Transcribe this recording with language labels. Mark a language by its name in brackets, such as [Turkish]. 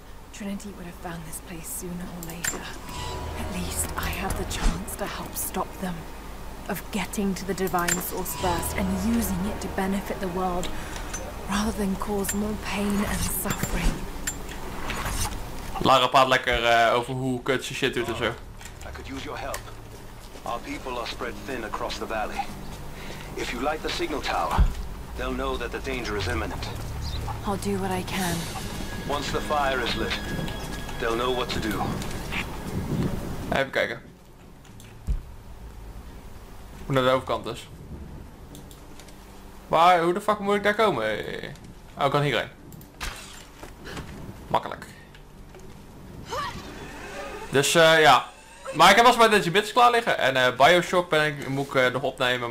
[English] Trinity would have found this place sooner or later. At least I have the chance to help stop them. Of getting to the divine source first and using it to benefit the world rather than cause more pain and suffering. [Dutch] Lara praat lekker over hoe kut ze shit doet en zo. [English] I could use your help. Our people are spread thin across the valley. If you light the signal tower, they'll know that the danger is imminent. I'll do what I can. Once the fire is lit, they'll know what to do. [Dutch] Even kijken. Naar de overkant dus. Maar hoe de fuck moet ik daar komen? Oh, kan hierheen. Makkelijk. Dus ja. Maar ik heb wel eens mijn Digibits klaar liggen. En Bioshock ben ik, moet ik nog opnemen.